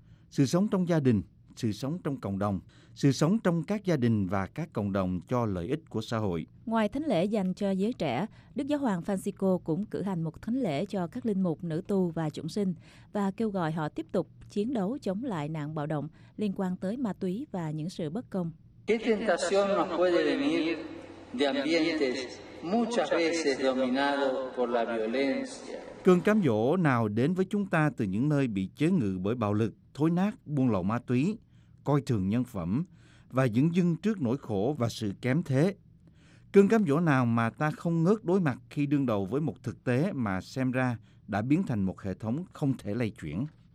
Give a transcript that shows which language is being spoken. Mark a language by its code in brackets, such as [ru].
[vi] Sự sống trong gia đình, sự sống trong cộng đồng, sự sống trong các gia đình và các cộng đồng cho lợi ích của xã hội. Ngoài thánh lễ dành cho giới trẻ, Đức Giáo Hoàng Francisco cũng cử hành một thánh lễ cho các linh mục, nữ tu và chúng sinh và kêu gọi họ tiếp tục chiến đấu chống lại nạn bạo động liên quan tới ma túy và những sự bất công. [es] ¿Qué tentación nos puede venir de ambientes muchas veces dominados por la violencia? [vi] Cơn cám dỗ nào đến với chúng ta từ những nơi bị chế ngự bởi bạo lực, thối nát, buôn lậu ma túy, coi thường nhân phẩm và dửng dưng trước nỗi khổ và sự kém thế? Cơn cám dỗ nào mà ta không ngớt đối mặt khi đương đầu với một thực tế mà xem ra đã biến thành một hệ thống không thể lay chuyển?